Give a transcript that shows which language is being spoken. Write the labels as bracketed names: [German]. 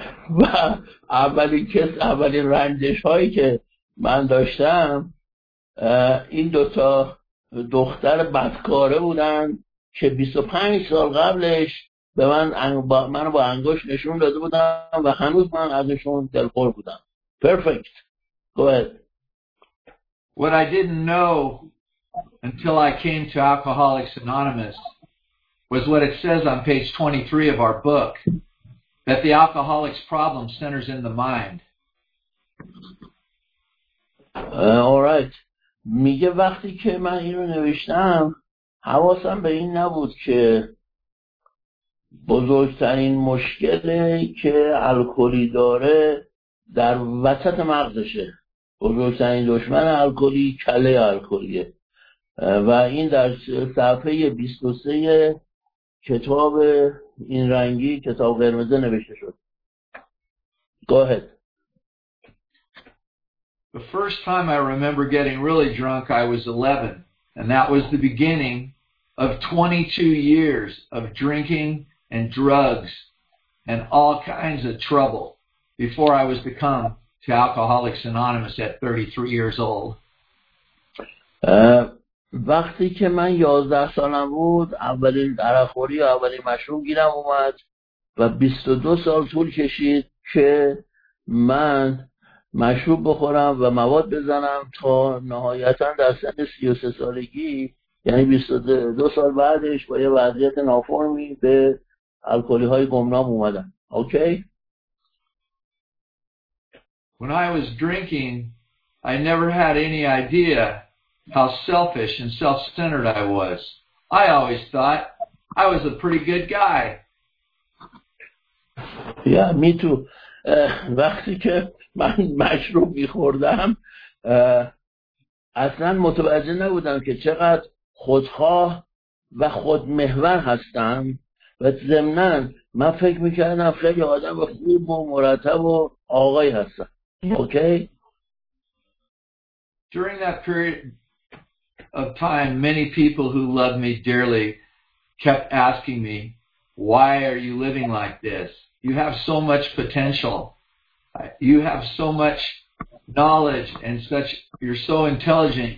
[Persian] و اولین رنجش هایی که من داشتم این دوتا دختر بدکاره بودن که 25 سال قبلش به من منو با انگشت نشون داده بودم و هنوز من ازشون دلخور بودم. [English] Perfect. Go ahead. What I didn't know until I came to Alcoholics Anonymous was what it says on page 23 of our book that the alcoholic's problem centers in the mind. All right. [Persian] میگه وقتی که من اینو نوشتم حواسم به این نبود که بزرگترین مشکلی که الکلی داره در وسط مغزشه. بزرگترین دشمن الکلی کله الکلیه. و این در صفحه 23 کتاب این رنگی کتاب قرمز نوشته شد. [English] Go ahead. The first time I remember getting really drunk I was 11 and that was the beginning of 22 years of drinking and drugs and all kinds of trouble before I was become to Alcoholics Anonymous at 33 years old. [Persian] وقتی که من 11 سالم بود اولین درخوری و اولین مشروب گیرم اومد و 22 سال طول کشید که من مشروب بخورم و مواد بزنم تا نهایتا در سن 33 سالگی یعنی 22 سال بعدش با یه وضعیت نافرمی به الکلی های گمنام اومدن. [English] Okay? When I was drinking, I never had any idea how selfish and self-centered I was. I always thought I was a pretty good guy. Yeah, me too. [Persian] وقتی که من مشروب می‌خوردم اصلا متوجه نبودم که چقدر خودخواه و خودمحور هستم و ضمناً من فکر می‌کردم خیلی آدم خوب و مرتب و آقایی هستم. [English] Okay? During that period of time, many people who loved me dearly kept asking me, "Why are you living like this? You have so much potential. You have so much knowledge and such, you're so intelligent.